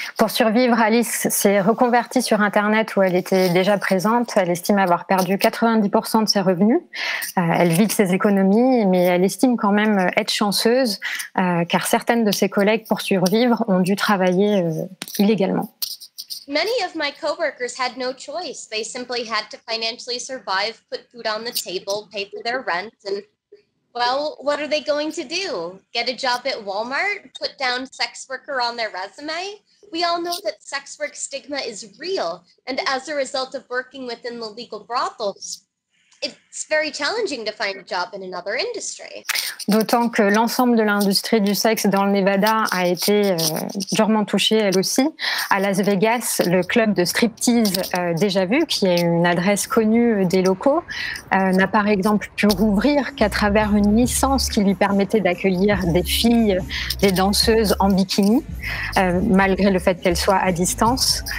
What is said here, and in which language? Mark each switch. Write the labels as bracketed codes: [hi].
[fr] Pour survivre, Alice s'est reconvertie sur Internet où elle était déjà présente. Elle estime avoir perdu 90% de ses revenus. Elle vide ses économies, mais elle estime quand même être chanceuse, car certaines de ses collègues, pour survivre, ont dû travailler illégalement. [en] Many of my coworkers had no choice. They simply had to financially survive, put food on the table, pay for their rent, and well, what are they going to do? Get a job at Walmart? Put down sex worker on their resume? We all know that sex work stigma is real. And as a result of working within the legal brothels, it's very challenging to find a job in another industry. [fr] D'autant que l'ensemble de l'industrie du sexe dans le Nevada a été durement touchée, elle aussi. À Las Vegas, le club de striptease déjà vu, qui est une adresse connue des locaux, n'a par exemple pu rouvrir qu'à travers une licence qui lui permettait d'accueillir des filles, des danseuses en bikini, malgré le fait qu'elles soient à distance.